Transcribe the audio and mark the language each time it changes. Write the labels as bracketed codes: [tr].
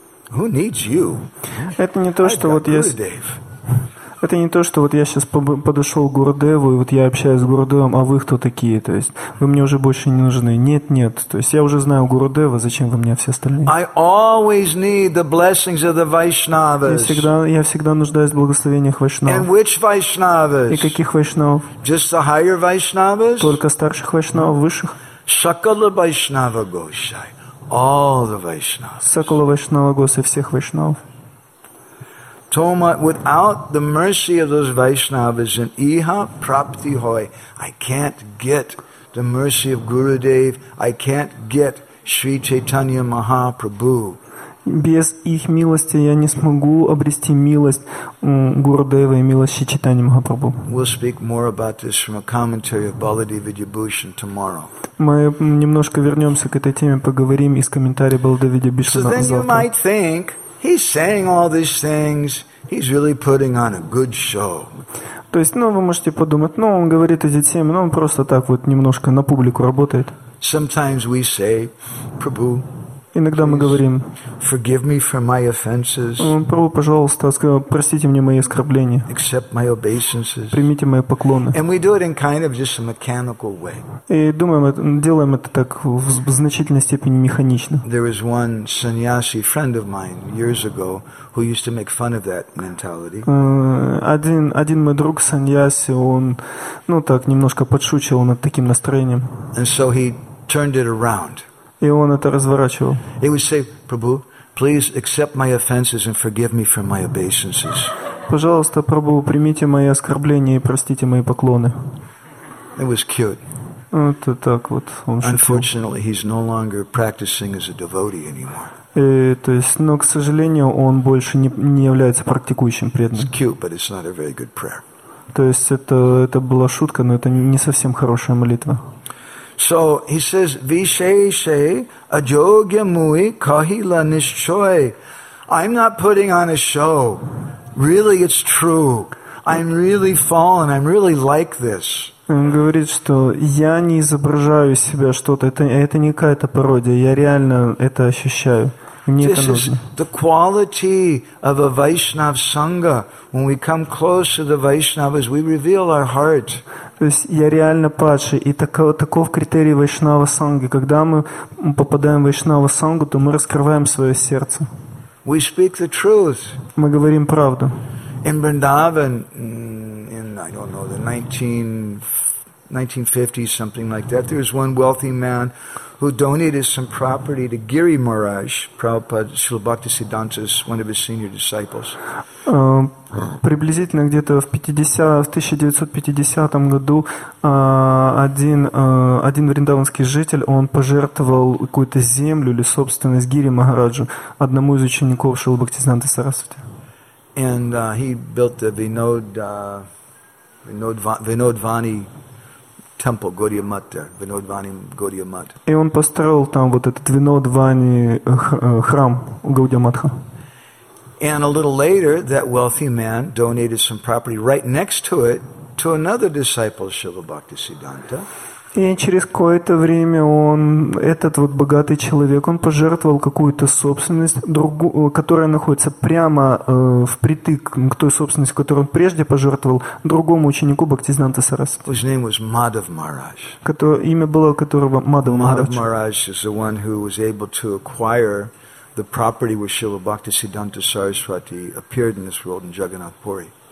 [en] Who needs you? [ru] Это не то, что вот я. Это не то, что вот я сейчас подошел к Гурудеву и вот я общаюсь с Гурудевом, а вы кто такие? То есть вы мне уже больше не нужны. Нет, нет. То есть я уже знаю Гурудева, зачем вы мне все остальные? [en] I always need the blessings of the Vaishnavas. [ru] Я всегда нуждаюсь в благословениях Вайшнавов. [en] And which Vaishnavas? [ru] И каких Вайшнавов? [en] Just the higher Vaishnavas? [ru] Только старших Вайшнавов, высших? [bn] Шакала Вайшнава Гошай. [en] All the Vaishnavas. [bn] Сакала Вайшнава Госа, [ru] всех Вайшнавов. [en] Тома, without the mercy of those Vaishnavas, and [bn] iha prapti hoy, [en] I can't get the mercy of Gurudev, I can't get Shri Chaitanya Mahaprabhu. [ru] Без их милости я не смогу обрести милость Гурудева и милость Шри Чайтанья Махапрабху. [en] We'll speak more about this from a commentary of Baladeva Vidyabhushan tomorrow. [ru] Мы немножко вернемся к этой теме, поговорим из комментария Баладева Видьябхушана завтра. [en] So then you might think, he's saying all these things, he's really putting on a good show. [ru] То есть, ну, вы можете подумать, ну, он говорит эти темы, ну, он просто так вот немножко на публику работает. [en] Sometimes we say, Prabhu, [ru] иногда мы говорим, [en] forgive me for my offenses. [ru] Прабу, пожалуйста, простите мне мои оскорбления. [en] Accept my obeisances. [ru] Примите мои поклоны. [en] And we do it in kind of just a mechanical way. [ru] И думаем, делаем это так в значительной степени механично. [en] There was one sannyasi friend of mine years ago who used to make fun of that mentality. [ru] Один мой друг саньяси, он, ну так, немножко подшучивал над таким настроением. [en] And so he turned it around. [ru] И он это разворачивал. [en] He would say, Prabhu, please accept my offenses and forgive me for my obeisances. [ru] Пожалуйста, Прабу, примите мои оскорбления и простите мои поклоны. [en] It was cute. [ru] Это так вот, он шутил. [en] Unfortunately, he's no longer practicing as a devotee anymore. [ru] И, то есть, но, к сожалению, он больше не является практикующим преданным. [en] It's cute, but it's not a very good prayer. [ru] То есть это была шутка, но это не совсем хорошая молитва. [en] So he says, [bn] Vishese ajogya mui kahila nishchoy. [en] I'm not putting on a show. Really, it's true. I'm really fallen. I'm really like this. [ru] Он говорит, что я не изображаю из себя что-то. Это не какая-то пародия. Я реально это ощущаю. [en] This is the quality of a Vaishnav Sangha. When we come close to the Vaishnavas, we reveal our heart. [ru] То есть я реально падший. И таков критерий Вайшнава Сангхи. Когда мы попадаем в Вайшнава Сангху, то мы раскрываем свое сердце. [en] We speak the truth. [ru] Мы говорим правду. [en] In Vrindavan, in, I don't know, the 1950s, something like that, there was one wealthy man who donated some property to Giri Maharaj, Prabhupada Srila Bhaktisiddhanta, one of his senior disciples. [ru] Приблизительно где-то в 1950 году один вриндаванский житель, он пожертвовал какую-то землю или собственность Гири Махараджу, одному из учеников Шрилы Бхактисиддханты Сарасвати. [en] And he built the Vinodvani temple, Gaudiya Math there, Vinodvani Gaudiya Math. [ru] И он построил там вот этот Vinodvani храм Gaudiya Matha. [en] And a little later, that wealthy man donated some property right next to it to another disciple, Shiva Bhaktisiddhanta. [ru] И через какое-то время он, этот вот богатый человек, он пожертвовал какую-то собственность, которая находится прямо впритык к той собственности, которую он прежде пожертвовал, другому ученику Бхактисиддханты Сарасвати. [en] His name was Madhav Maharaj. [ru] Имя было которого Madhav Maharaj. [en] Madhav Maharaj is the one who was able to acquire the property where Srila Bhaktisiddhanta Saraswati appeared in this world in Jagannath Puri.